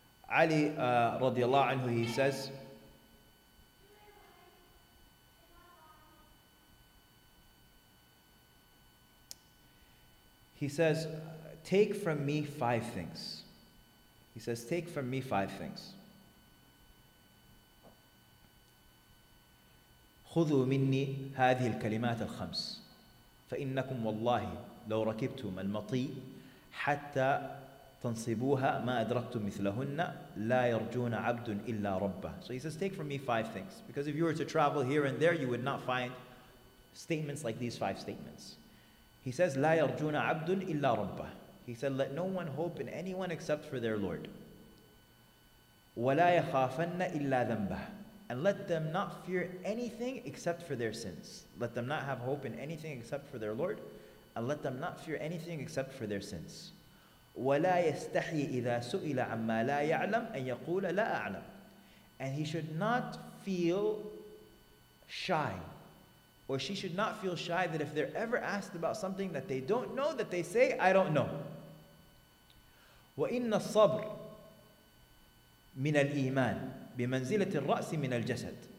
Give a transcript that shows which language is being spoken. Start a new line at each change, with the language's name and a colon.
English: Ali radiallahu anhu, he says, take from me five things. He says, take from me five things.
Arabic: خذوا مني هذه الكلمات الخمس فإنكم والله لو ركبتم المطي حتى تنصبوها ما أدركتم مثلهن لا يرجون عبد إلا ربه.
English: So he says, take from me five things. Because if you were to travel here and there, you would not find statements like these five statements. He says,
Arabic: لا يرجون عبد إلا ربه.
English: He said, let no one hope in anyone except for their Lord.
Arabic: ولا يخافن إلا ذنبه.
English: And let them not fear anything except for their sins. Let them not have hope in anything except for their Lord. And let them not fear anything except for their sins.
Arabic: ولا يستحي إذا سئل عما لا يعلم أن يقول لا أعلم.
English: And he should not feel shy. Or she should not feel shy that if they're ever asked about something that they don't know, that they say, I don't know.
Arabic: وَإِنَّ الصَّبْرِ مِنَ الْإِيمَانِ بِمَنْزِلَةِ الرَّأْسِ مِنَ الْجَسَدِ.